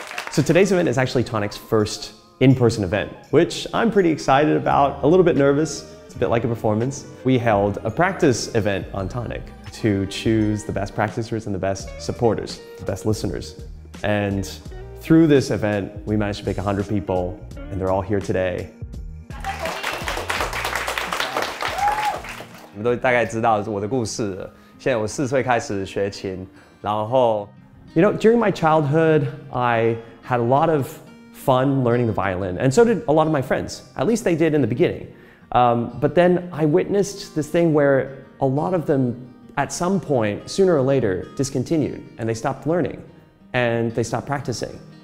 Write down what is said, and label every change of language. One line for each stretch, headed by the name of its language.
English: So today's event is actually Tonic's first in-person event, which I'm pretty excited about, a little bit nervous. It's a bit like a performance. We held a practice event on Tonic to choose the best practicers and the best supporters, the best listeners. And through this event, we managed to pick 100 people, and they're all here today.
Chinese: 你们都大概知道我的故事了。现在我四岁开始学琴，然后
English: You know, during my childhood, I had a lot of fun learning the violin, and so did a lot of my friends. At least they did in the beginning. But then I witnessed this thing where a lot of them, at some point, sooner or later, discontinued, and they stopped learning, and they stopped practicing.